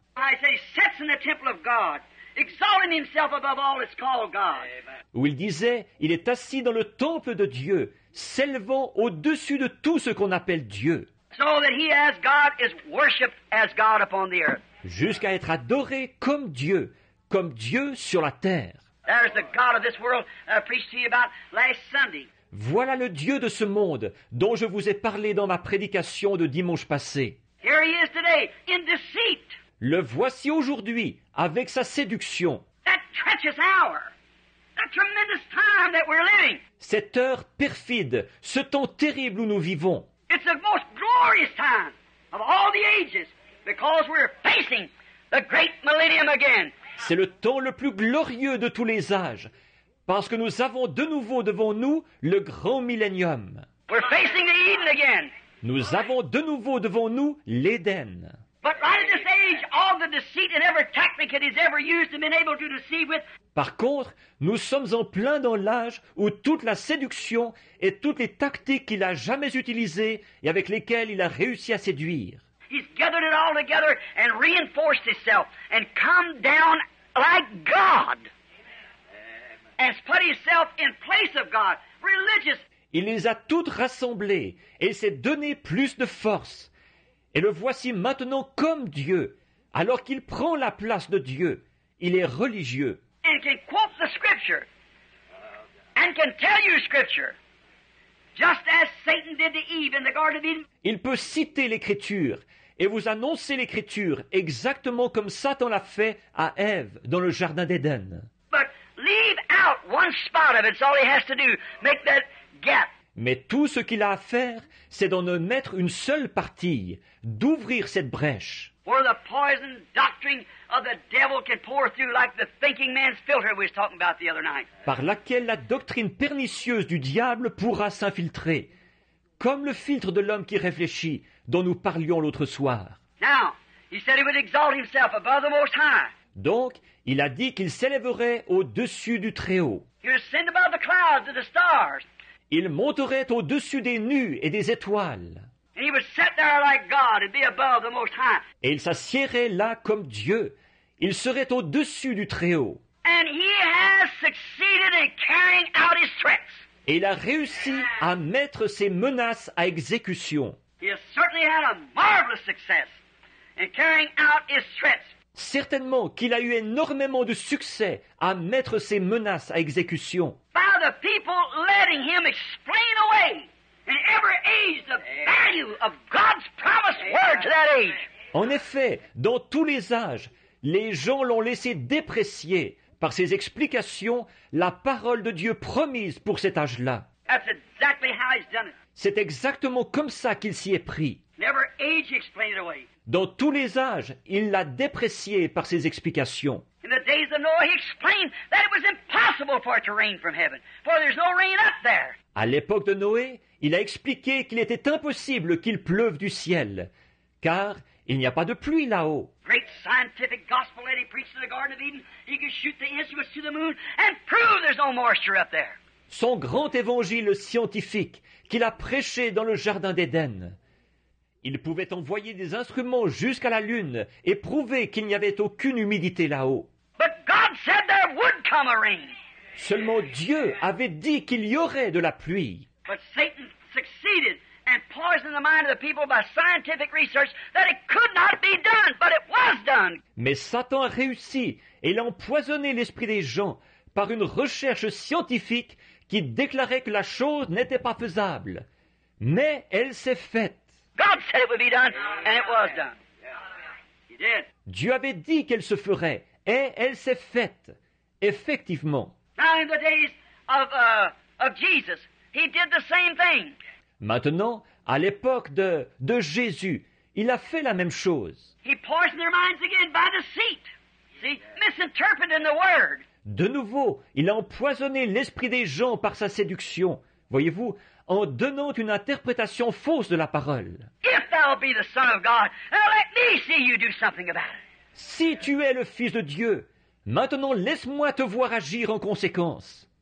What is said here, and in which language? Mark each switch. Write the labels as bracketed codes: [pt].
[en] I say, sits in the temple of God. Exalting himself above all that's called God. [fr] Où il disait, il est assis dans le temple de Dieu, s'élevant au-dessus de tout ce qu'on appelle Dieu. [en] So that he as God is worshipped as God upon the earth. [fr] Jusqu'à être adoré comme Dieu sur la terre. [en] There's the God of this world I preached to you about last Sunday. [fr] Voilà le Dieu de ce monde dont je vous ai parlé dans ma prédication de dimanche passé. [en] Here he is today in deceit. [fr] le voici aujourd'hui avec sa séduction. [en] That treacherous hour, that tremendous time that we're living. [fr] Cette heure perfide, ce temps terrible où nous vivons. [en] It's the most glorious time of all the ages because we're facing the great millennium again. [fr] C'est le temps le plus glorieux de tous les âges parce que nous avons de nouveau devant nous le grand millénium. [en] We're facing Eden again. [fr] Nous avons de nouveau devant nous l'Éden. [en] But right in this age, all the deceit and every tactic it has ever used and been able to deceive with. [fr] Par contre, nous sommes en plein dans l'âge où toute la séduction et toutes les tactiques qu'il a jamais utilisées et avec lesquelles il a réussi à séduire. [en] He's gathered it all together and reinforced himself and come down like God. Amen. And put himself in place of God. Religious. [fr] Il les a toutes rassemblées et s'est donné plus de force. Et le voici maintenant comme Dieu, alors qu'il prend la place de Dieu. Il est religieux. [en] And can quote the scripture. And can tell you scripture. Just as Satan did to Eve in the Garden of Eden. [fr] Il peut citer l'écriture et vous annoncer l'écriture exactement comme Satan l'a fait à Ève dans le jardin d'Éden. [en] But leave out one spot of it. It's all he has to do. Make that gap. [fr] Mais tout ce qu'il a à faire, c'est d'en mettre une seule partie, d'ouvrir cette brèche. [en] Where the poison doctrine of the devil can pour through like the thinking man's filter we were talking about the other night. [fr] Par laquelle la doctrine pernicieuse du diable pourra s'infiltrer, comme le filtre de l'homme qui réfléchit dont nous parlions l'autre soir. [en] Now, he said he would exalt himself above the Most High. [fr] Donc, il a dit qu'il s'élèverait au-dessus du Très-Haut. [en] He would ascend above the clouds and the stars. [fr] Il monterait au-dessus des nues et des étoiles. [en] And he would sit there like God and be above the Most High. [fr] Et il s'assiérait là comme Dieu. Il serait au-dessus du Très-Haut. [en] And he has succeeded in carrying out his threats. [fr] Et il a réussi à mettre ses menaces à exécution. [en] He has certainly had a marvelous success in carrying out his threats. [fr] Certainement qu'il a eu énormément de succès à mettre ses menaces à exécution. [en] By the people letting him explain away in every age the value of God's promised word to that age. [fr] En effet, dans tous les âges, les gens l'ont laissé déprécier par ses explications la parole de Dieu promise pour cet âge-là. [en] That's exactly how he's done it. [fr] C'est exactement comme ça qu'il s'y est pris. [en] Never age explained it away. [fr] Dans tous les âges, il l'a déprécié par ses explications. [en] In the days of Noah, he explained that it was impossible for it to rain from heaven, for there's no rain up there. [fr] À l'époque de Noé, il a expliqué qu'il était impossible qu'il pleuve du ciel, car il n'y a pas de pluie là-haut. [en] Great scientific gospel that he preached in the Garden of Eden, he could shoot the instruments to the moon and prove there's no moisture up there. [fr] Son grand évangile scientifique qu'il a prêché dans le jardin d'Éden. Il pouvait envoyer des instruments jusqu'à la lune et prouver qu'il n'y avait aucune humidité là-haut. [en] But God said there would come a rain. [fr] Seulement Dieu avait dit qu'il y aurait de la pluie. [en] But Satan succeeded and poisoned the mind of the people by scientific research that it could not be done, but it was done. [fr] Mais Satan a réussi et il a empoisonné l'esprit des gens par une recherche scientifique qui déclarait que la chose n'était pas faisable. Mais elle s'est faite. [en] God said it would be done, and it was done. He did. [fr] Dieu avait dit qu'elle se ferait, et elle s'est faite. Effectivement. [en] Now in the days of Jesus, he did the same thing. [fr] Maintenant, à l'époque de Jésus, il a fait la même chose. [en] He poisoned their minds again by deceit. See, misinterpreting the word. [fr] De nouveau, il a empoisonné l'esprit des gens par sa séduction, voyez-vous, en donnant une interprétation fausse de la parole. [en] If thou be the Son of God, let me see you do something about it. [fr] Si tu es le Fils de Dieu, maintenant laisse-moi te voir agir en conséquence.